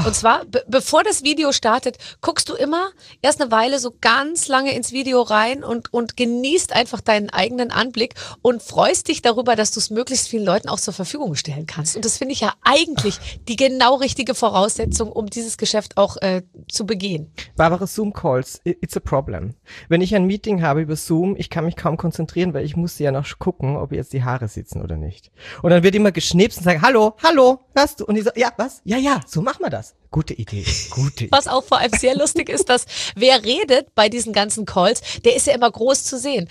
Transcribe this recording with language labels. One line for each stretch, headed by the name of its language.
German: Und zwar, bevor das Video startet, guckst du immer erst eine Weile so ganz lange ins Video rein und genießt einfach deinen eigenen Anblick und freust dich darüber, dass du es möglichst vielen Leuten auch zur Verfügung stellen kannst. Und das finde ich ja eigentlich die genau richtige Voraussetzung, um dieses Geschäft auch zu begehen.
English: Barbara, Zoom Calls, it's a problem.
German: Wenn ich ein Meeting habe über Zoom, ich kann mich kaum konzentrieren, weil ich muss ja noch gucken, ob jetzt die Haare sitzen oder nicht. Und dann wird immer geschnipst und sagen, hallo, hallo, hast du? Und ich so, ja, was? Ja, ja, so machen wir das. Gute Idee, gute Idee. Was auch vor allem sehr lustig ist, dass wer redet bei diesen ganzen Calls, der ist ja immer groß zu sehen.